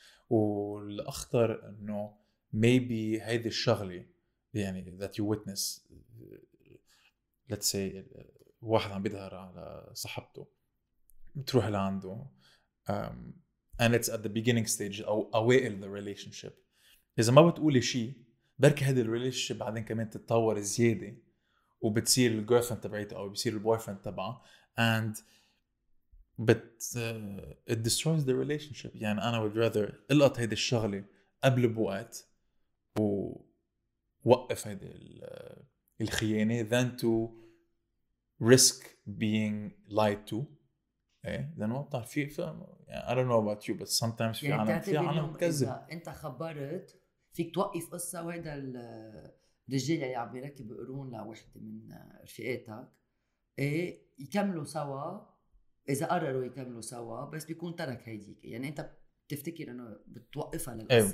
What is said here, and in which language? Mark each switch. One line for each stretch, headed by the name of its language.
Arabic: والاخطر انه maybe هيدي الشغله يعني
English: that you witness, let's say
Arabic: واحد عم بيظهر على صاحبته, بتروح لعنده
English: and it's at the beginning stage
Arabic: او اوائل the relationship, اذا ما بتقولي شيء بركي هيدي الريليشن بعدين كمان تتطور زياده وبتصير الجيرفريند تبعيته او بيصير البويفريند تبعه
English: and but it destroys the relationship.
Arabic: يعني انا
English: would rather
Arabic: القط هيدي الشغله قبل بوقت ووقف هيدي الخيانه
English: than to risk being lied to. ايه then what
Arabic: طيب في يعني
English: I don't know about you but sometimes
Arabic: يعني في عالم بتكذب. انت خبرت فيك توقف قصه وهيدا الرجال اللي عم يركب قرون لوحدة من رفقاتك, ايه يكملوا سوا اذا قرروا يكملوا سوا, بس بيكون ترك هيديك. يعني انت بتفتكر انه بتوقفها للقصة.